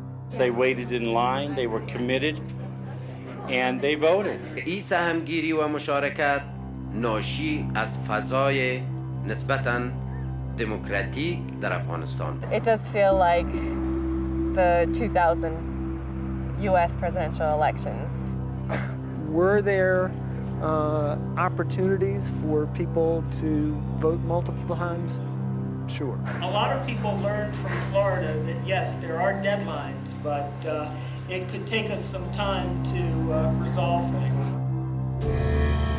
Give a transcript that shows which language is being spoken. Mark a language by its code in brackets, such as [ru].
[en] They waited in line, they were committed, and they voted. [fa] این سهمگیری و مشارکت ناشی از فضای نسبتاً دموکراتیک در افغانستان. [en] It does feel like the 2000 US presidential elections. Were there opportunities for people to vote multiple times? Sure. A lot of people learned from Florida that yes, there are deadlines, but it could take us some time to resolve things.